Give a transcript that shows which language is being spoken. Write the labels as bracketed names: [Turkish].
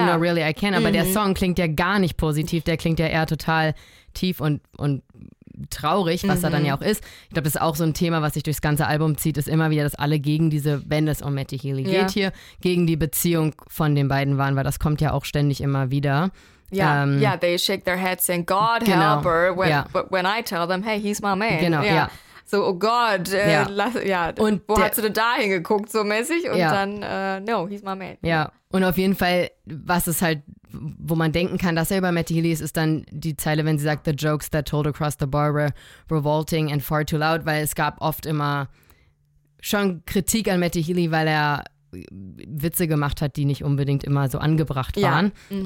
[English] him, not really I can, [German] aber mhm. der Song klingt ja gar nicht positiv, der klingt ja eher total tief und traurig, was mhm. er dann ja auch ist. Ich glaube, das ist auch so ein Thema, was sich durchs ganze Album zieht, ist immer wieder, dass alle gegen diese, wenn es um Matty Healy ja. geht hier, gegen die Beziehung von den beiden waren, weil das kommt ja auch ständig immer wieder. [English] Ja, yeah, they shake their heads saying, God genau, help her, when, ja. when I tell them, hey, he's my man. [German] Genau, ja. ja. So, oh Gott, ja. Lass, ja. Und wo hast du denn da hingeguckt, so mäßig? Und ja. dann, [English] no, he's my man. [German] Ja, und auf jeden Fall, was es halt, wo man denken kann, dass er über Matty Healy ist, ist dann die Zeile, wenn sie sagt, [English] the jokes that told across the bar were revolting and far too loud, [German] weil es gab oft immer schon Kritik an Matty Healy, weil er Witze gemacht hat, die nicht unbedingt immer so angebracht ja. waren. Mhm.